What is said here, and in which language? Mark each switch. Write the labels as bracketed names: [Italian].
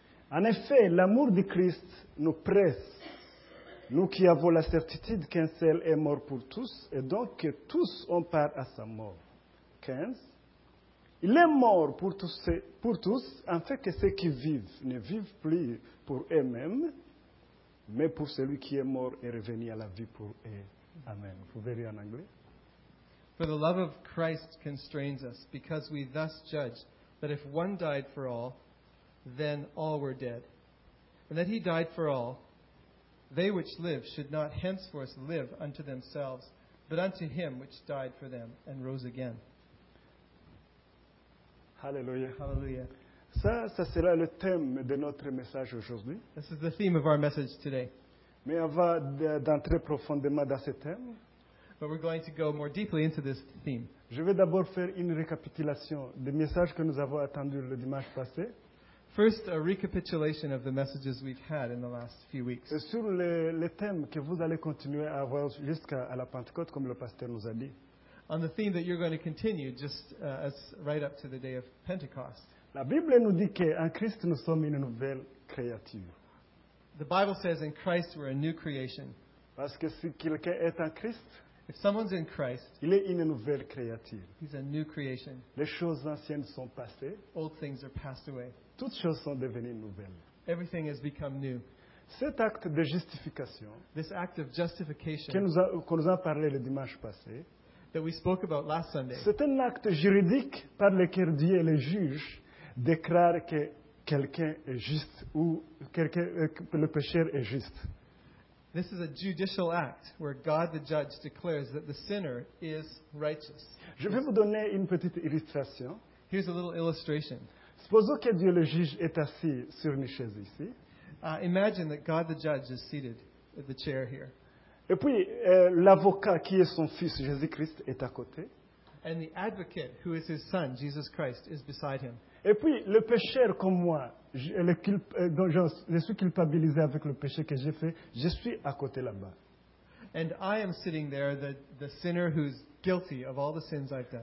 [French] En effet, l'amour de Christ nous presse, nous qui avons la certitude qu'un seul est mort pour tous, et donc que tous ont part à sa mort. 15. Il est mort pour tous, en fait que ceux qui vivent ne vivent plus pour eux-mêmes, mais pour celui qui est mort et revenu à la vie pour eux. Amen. Vous pouvez lire en anglais. [English] For the love of Christ constrains us, because we thus judge that if one died for all, then all were dead. And that he died for all, they which live should not henceforth live unto themselves, but unto him which died for them and rose again. [French] Hallelujah. [English] Hallelujah. [French] Ça sera le thème de notre message aujourd'hui. [English] This is the theme of our message today. [French] Mais avant d'entrer profondément dans ce thème, [English] but we're going to go more deeply into this theme. [French] Je vais d'abord faire une récapitulation des messages que nous avons attendus le dimanche passé. [English] First, a recapitulation of the messages we've had in the last few weeks. [French] Et sur les thèmes que vous allez continuer à avoir jusqu'à la Pentecôte, comme le pasteur nous a dit. [English] On the theme that you're going to continue just as right up to the day of Pentecost. [French] La Bible nous dit qu'en Christ nous sommes une nouvelle créature. [English] The Bible says in Christ we're a new creation. [French] Parce que si quelqu'un est en Christ, [English] if someone's in Christ, [French] il est une nouvelle créature. [English] He's a new creation. [French] Les choses anciennes sont passées. [English] Old things are passed away. [French] Toutes choses sont devenues nouvelles. [English] Everything has become new. [French] Cet acte de justification, [English] this act of justification, [French] que nous avons parlé le dimanche passé, [English] that we spoke about last Sunday, [French] c'est un acte juridique par lequel Dieu et le juge déclarent que quelqu'un est juste ou que le pécheur est juste. [English] This is a judicial act where God the judge declares that the sinner is righteous. [French] Je vais vous donner une petite illustration. [English] Here's a little illustration. [French] Supposons que Dieu le juge est assis sur une chaise ici. [English] Imagine that God the judge is seated at the chair here. [French] Et puis l'avocat qui est son fils Jésus-Christ est à côté. [English] And the advocate who is his son Jesus Christ is beside him. [French] Et puis le pécheur comme moi, je suis culpabilisé avec le péché que j'ai fait, je suis à côté là-bas. [English] And I am sitting there, the sinner who's guilty of all the sins I've done.